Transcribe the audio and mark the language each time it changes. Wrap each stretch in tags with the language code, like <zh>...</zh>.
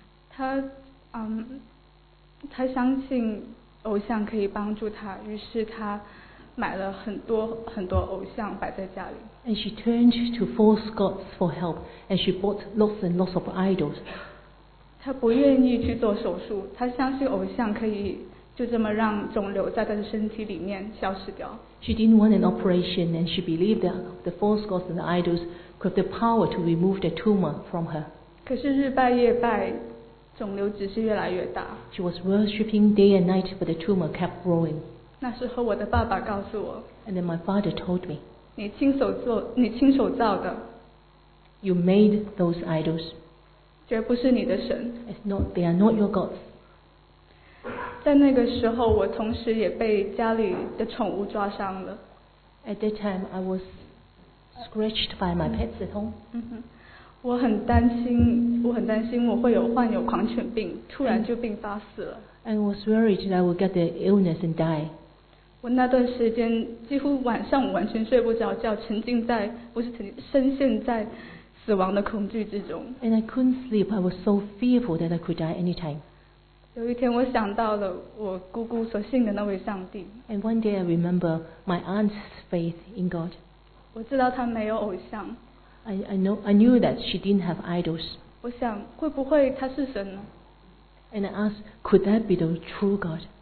<zh>她相信偶像可以帮助她，于是她。买了很多很多偶像摆在家里。</zh> <en>And she turned to false gods for help, and she bought lots and lots of idols.</en> <zh>她不愿意去做手术，她相信偶像可以就这么让肿瘤在她的身体里面消失掉。</zh> <en>She didn't want an operation, and she believed that the false gods and the idols could have the power to remove the tumor from her.</en> <zh>可是日拜夜拜，肿瘤只是越来越大。</zh> <en>She was worshipping day and night, but the tumor kept growing.</en> <zh>那时候我的爸爸告诉我</zh> <en>And then my father told me</en> <zh>你亲手造的</zh> <en>You made those idols</en> <zh>绝不是你的神</zh> <en>It's not, They are not your gods</en> <zh>在那个时候我同时也被家里的宠物抓伤了</zh> <en>At that time I was scratched by my pets at home</en> <zh>我很担心我会有患有狂犬病突然就病发死了</zh> <en>And I was worried that I would get the illness and die</en> <zh>我那段时间几乎晚上完全睡不着觉，沉浸在不是沉深陷在死亡的恐惧之中。</zh> <en>And I couldn't sleep. I was so fearful that I could die anytime.</en> <zh>有一天，我想到了我姑姑所信的那位上帝。</zh> <en>And one day I remember my aunt's faith in God.</en> <zh>我知道她没有偶像。</zh> <en>I knew that she didn't have idols.</en> <zh>我想会不会她是神呢</zh> <en>？And I asked, could that be the true God?</en>